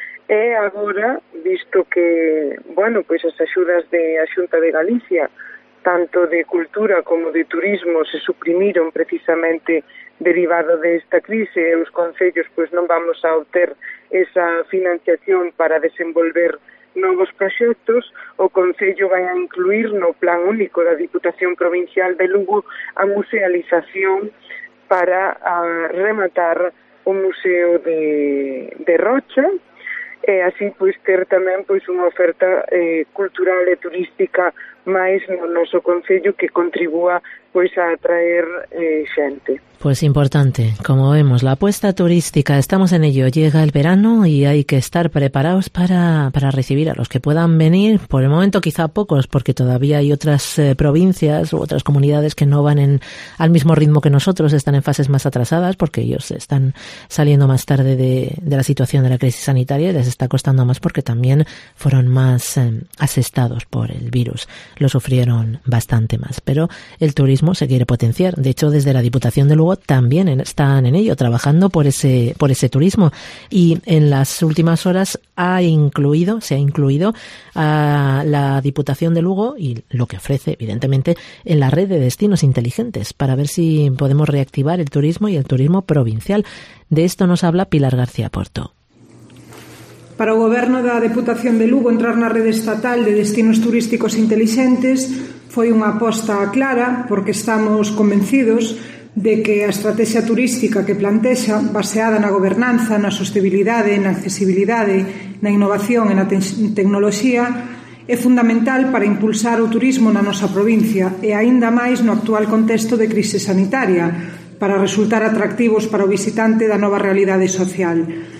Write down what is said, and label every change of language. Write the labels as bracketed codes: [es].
[gl] E agora, visto que, bueno, pois as axudas de a Xunta de Galicia, tanto de cultura como de turismo, se suprimiron precisamente derivado desta crise, e os concellos pois non vamos a obter esa financiación para desenvolver novos proxectos, o concello vai a incluir no plan único da Diputación Provincial de Lugo a musealización para a rematar o Museo de Rocha, e así pois ter tamén pois unha oferta cultural e turística máis no noso concello que contribúa pois a atraer xente. [es] Pues importante, como vemos, la apuesta turística, estamos en ello, llega el verano y hay que estar preparados para recibir a los que puedan venir, por el momento quizá pocos, porque todavía hay otras provincias u otras comunidades que no van en al mismo ritmo que nosotros, están en fases más atrasadas, porque ellos están saliendo más tarde de la situación de la crisis sanitaria y les está costando más porque también fueron más asestados por el virus. lo sufrieron bastante más. Pero el turismo se quiere potenciar. De hecho, desde la Diputación de Lugo también están en ello, trabajando por ese turismo. Y en las últimas horas se ha incluido a la Diputación de Lugo y lo que ofrece, evidentemente, en la red de destinos inteligentes para ver si podemos reactivar el turismo y el turismo provincial. De esto nos habla Pilar García Porto. [gl] Para o Goberno da Deputación de Lugo, entrar na rede estatal de destinos turísticos intelixentes foi unha aposta clara, porque estamos convencidos de que a estrategia turística que plantexa, baseada na gobernanza, na sostibilidade, na accesibilidade, na innovación e na tecnoloxía, é fundamental para impulsar o turismo na nosa provincia e aínda máis no actual contexto de crise sanitaria, para resultar atractivos para o visitante da nova realidade social.